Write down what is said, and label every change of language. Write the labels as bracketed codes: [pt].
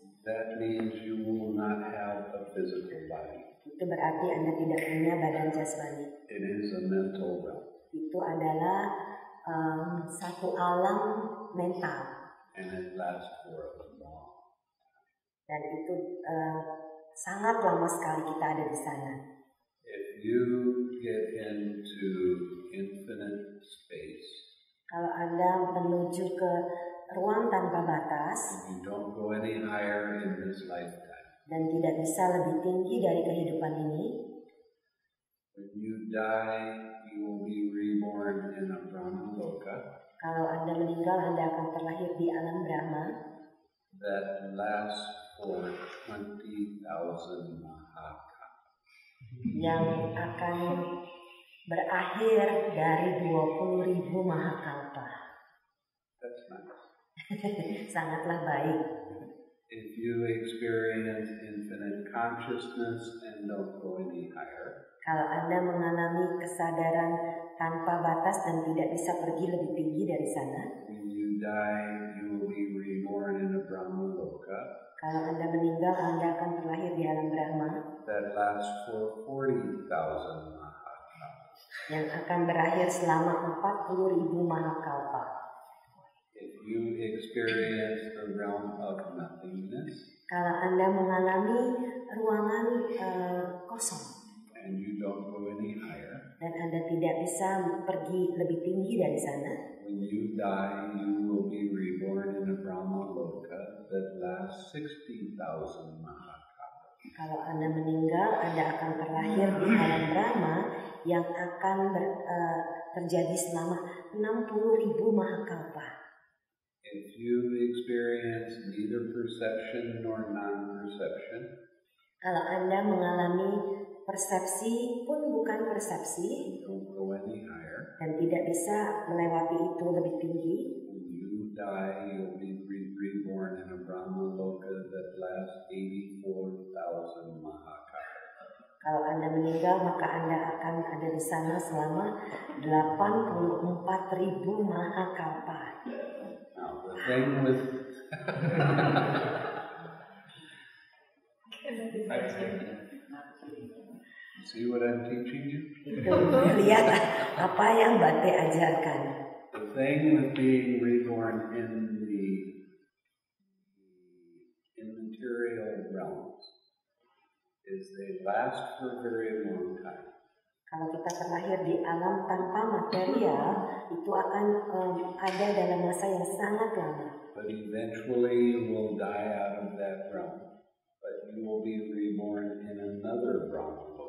[en] That means you will not have a physical body. [id] Itu berarti Anda tidak punya badan jasmani. [en] It is a mental realm. [id] Itu adalah satu alam mental. [en] And it lasts for a long time. [id] Dan itu sangat lama sekali kita ada di sana. [en] If you get into infinite space, [id] kalau Anda menuju ke ruang tanpa batas, [en] you don't go any higher in this lifetime. [id] Dan tidak bisa lebih tinggi dari kehidupan ini. [en] When you die, you will be reborn in a Brahma Loka. [id] Kalau Anda meninggal, Anda akan terlahir di alam Brahma. [en] That lasts for 20,000 mahakala. [id] Yang akan berakhir dari 20,000 mahakalpa. [en] That's nice. [id] Sangatlah baik. [en] If you experience infinite consciousness and don't go any higher, [id] kalau Anda mengalami kesadaran tanpa batas dan tidak bisa pergi lebih tinggi dari sana, [en] when you die, you will be reborn in a Brahma Loka. [id] Kalau Anda meninggal, Anda akan terlahir di alam Brahma. [en] That lasts for 40,000 mahakalpa. [id] Yang akan berakhir selama 40,000 mahakalpa. [en] If you experience the realm of nothingness, [id] kalau Anda mengalami ruangan kosong, [en] and you don't go any higher, [id] dan Anda tidak bisa pergi lebih tinggi dari sana, [en] when you die, you will be reborn in a Brahma Loka that lasts 60,000 mahakalpa. [id] Kalau Anda meninggal, Anda akan terlahir di alam Brahma yang akan terjadi selama 60,000 mahakalpa. [en] If you experience neither perception nor non-perception, [id] kalau Anda mengalami persepsi pun bukan persepsi, dan tidak bisa melewati itu lebih tinggi, [en] you die, you'll be reborn in a Brahma Loka that lasts 84,000 mahakala. [id] Kalau Anda meninggal, maka Anda akan ada di sana selama 84,000 mahakala. [en] Now the thing with see what I'm teaching you? [id] Lihat apa yang Bate ajarkan. [en] The thing with being reborn in the immaterial realms is they last for a very long time. [id] Kalau kita terlahir di alam tanpa material, itu akan ada dalam masa yang sangat lama. [en] But eventually you will die out of that realm. But you will be reborn in another realm.